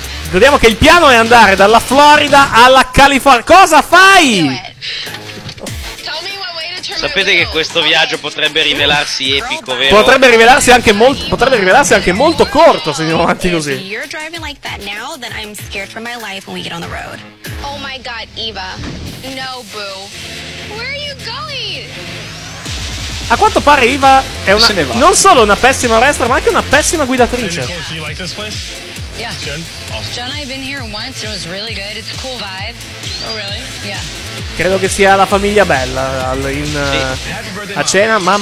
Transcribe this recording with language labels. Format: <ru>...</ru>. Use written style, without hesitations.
<it>Vediamo che il piano è andare dalla Florida alla California. Cosa fai? Sapete che questo viaggio potrebbe rivelarsi epico, vero? Potrebbe rivelarsi anche molto corto se andiamo avanti così.</it> <en>If you're driving like that now, then I'm scared for my life when we get on the road. Oh my god, Eva. No, boo. Where are you going?</en> <it>A quanto pare Eva è una non solo una pessima wrestler, ma anche una pessima guidatrice.</it> <en>Yeah. John, I've been here once. It was really good. It's a cool vibe. Oh, really? Yeah.</en> <it>Credo che sia la famiglia Bella a cena.</it>